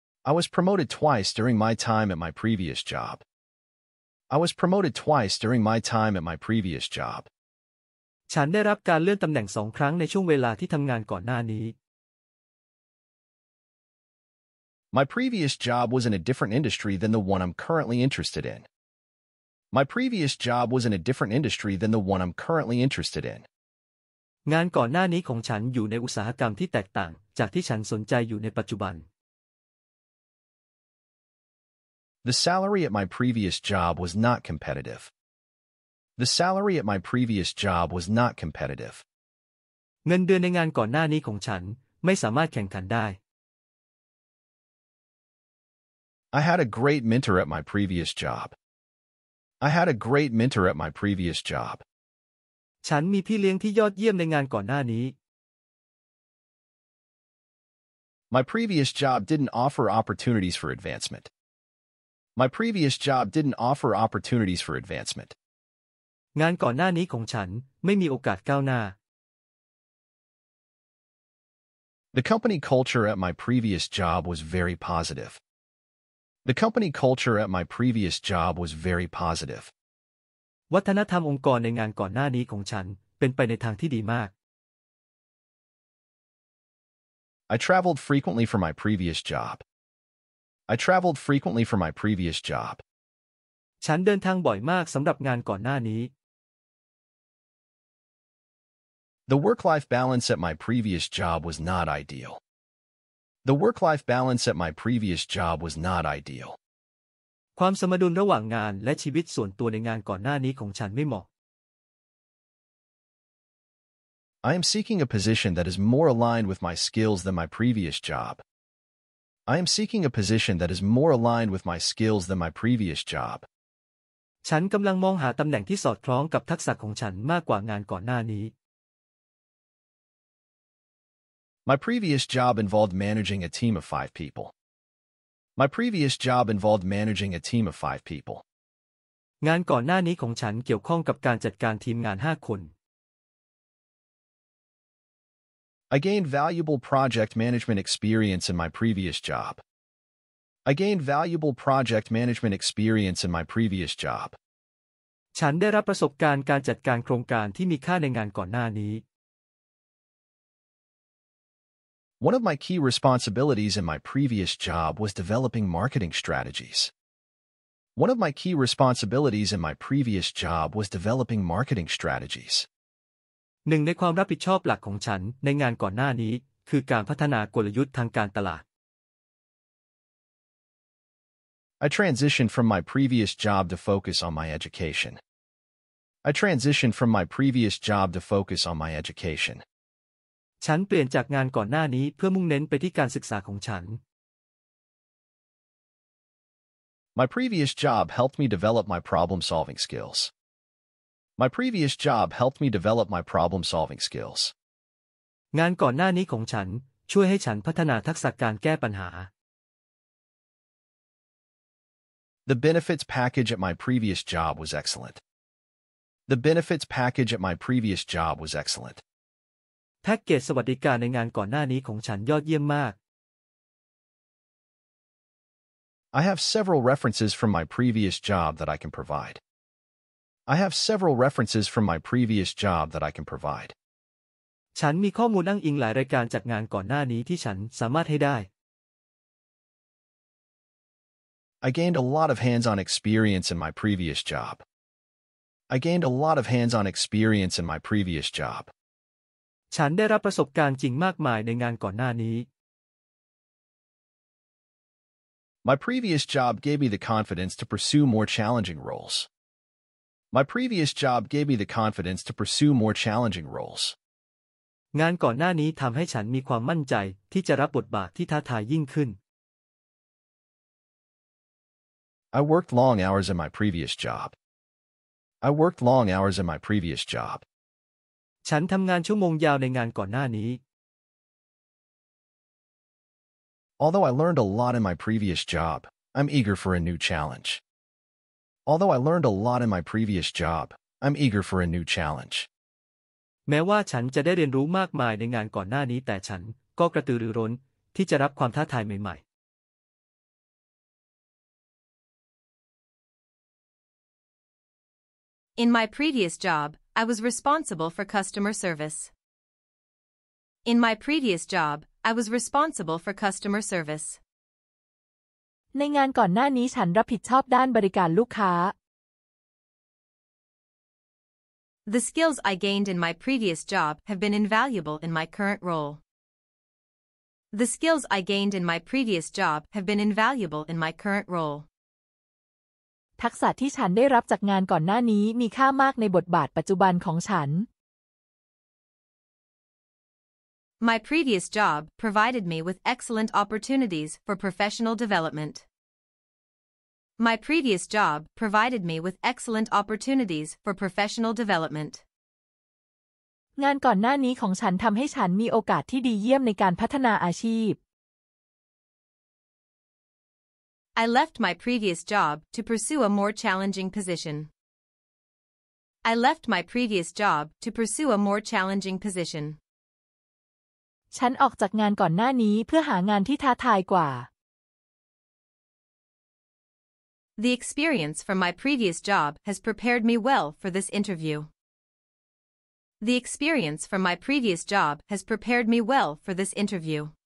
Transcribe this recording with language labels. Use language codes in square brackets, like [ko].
[en] I was promoted twice during my time at my previous job. I was promoted twice during my time at my previous job. [th] ฉันได้รับการเลื่อนตำแหน่งสองครั้งในช่วงเวลาที่ทำงานก่อนหน้านี้ [en] My previous job was in a different industry than the one I'm currently interested in. My previous job was in a different industry than the one I'm currently interested in. [th] งานก่อนหน้านี้ของฉันอยู่ในอุตสาหกรรมที่แตกต่างจากที่ฉันสนใจอยู่ในปัจจุบัน [en] The salary at my previous job was not competitive. The salary at my previous job was not competitive. [th] เงินเดือนในงานก่อนหน้านี้ของฉันไม่สามารถแข่งขันได้ [en] I had a great mentor at my previous job. I had a great mentor at my previous job. [th] ฉันมีพี่เลี้ยงที่ยอดเยี่ยมในงานก่อนหน้านี้ [en] My previous job didn't offer opportunities for advancement. My previous job didn't offer opportunities for advancement. [th] งานก่อนหน้านี้ของฉันไม่มีโอกาสก้าวหน้า [en] The company culture at my previous job was very positive. The company culture at my previous job was very positive. [th] วัฒนธรรมองค์กรในงานก่อนหน้านี้ของฉันเป็นไปในทางที่ดีมาก [en] I traveled frequently for my previous job. I traveled frequently for my previous job. [th] ฉันเดินทางบ่อยมากสำหรับงานก่อนหน้านี้ [en] The work-life balance at my previous job was not ideal. The work-life balance at my previous job was not ideal. [th] ความสมดุลระหว่างงานและชีวิตส่วนตัวในงานก่อนหน้านี้ของฉันไม่เหมาะ [en] I am seeking a position that is more aligned with my skills than my previous job. I am seeking a position that is more aligned with my skills than my previous job. [th] ฉันกำลังมองหาตำแหน่งที่สอดคล้องกับทักษะของฉันมากกว่างานก่อนหน้านี้ [en] My previous job involved managing a team of five people. My previous job involved managing a team of five people. [th] งานก่อนหน้านี้ของฉันเกี่ยวข้องกับการจัดการทีมงาน5คน [en] I gained valuable project management experience in my previous job. I gained valuable project management experience in my previous job. [th] ฉันได้รับประสบการณ์การจัดการโครงการที่มีค่าในงานก่อนหน้านี้ [en] One of my key responsibilities in my previous job was developing marketing strategies. One of my key responsibilities in my previous job was developing marketing strategies. [th] หนึ่งในความรับผิดชอบหลักของฉันในงานก่อนหน้านี้คือการพัฒนากลยุทธ์ทางการตลาด [en] I transitioned from my previous job to focus on my education. I transitioned from my previous job to focus on my education. [th] ฉันเปลี่ยนจากงานก่อนหน้านี้เพื่อมุ่งเน้นไปที่การศึกษาของฉัน [en] My previous job helped me develop my problem-solving skills. My previous job helped me develop my problem-solving skills. [th] งานก่อนหน้านี้ของฉันช่วยให้ฉันพัฒนาทักษะการแก้ปัญหา [en] The benefits package at my previous job was excellent. The benefits package at my previous job was excellent. [th] แพ็กเกจสวัสดิการในงานก่อนหน้านี้ของฉันยอดเยี่ยมมาก [en] I have several references from my previous job that I can provide. I have several references from my previous job that I can provide. [th] ฉันมีข้อมูลอ้างอิงหลายรายการจากงานก่อนหน้านี้ที่ฉันสามารถให้ได้ [en] I gained a lot of hands-on experience in my previous job. I gained a lot of hands-on experience in my previous job. [th] ฉันได้รับประสบการณ์จริงมากมายในงานก่อนหน้านี้ [en] My previous job gave me the confidence to pursue more challenging roles. My previous job gave me the confidence to pursue more challenging roles. [th] งานก่อนหน้านี้ทำให้ฉันมีความมั่นใจที่จะรับบทบาทที่ท้าทายยิ่งขึ้น [en] I worked long hours in my previous job. I worked long hours in my previous job. [th] ฉันทำงานชั่วโมงยาวในงานก่อนหน้านี้ [en] Although I learned a lot in my previous job, I'm eager for a new challenge. Although I learned a lot in my previous job, I'm eager for a new challenge. [th] แม้ว่าฉันจะได้เรียนรู้มากมายในงานก่อนหน้านี้แต่ฉันก็กระตือรือร้นที่จะรับความท้าทายใหม่ๆ [en] In my previous job, I was responsible for customer service. In my previous job, I was responsible for customer service. [th] ในงานก่อนหน้านี้ฉันรับผิดชอบด้านบริการลูกค้า [en] The skills I gained in my previous job have been invaluable in my current role. The skills I gained in my previous job have been invaluable in my current role. [th] ทักษะที่ฉันได้รับจากงานก่อนหน้านี้มีค่ามากในบทบาทปัจจุบันของฉัน [en] My previous job provided me with excellent opportunities for professional development. My previous job provided me with excellent opportunities for professional development. [th] งานก่อนหน้านี้ของฉันทำให้ฉันมีโอกาสที่ดีเยี่ยมในการพัฒนาอาชีพ [en] I left my previous job to pursue a more challenging position. I left my previous job to pursue a more challenging position. [th] ฉันออกจากงานก่อนหน้านี้เพื่อหางานที่ท้าทายกว่า [en] The experience from my previous job has prepared me well for this interview. The experience from my previous job has prepared me well for this interview.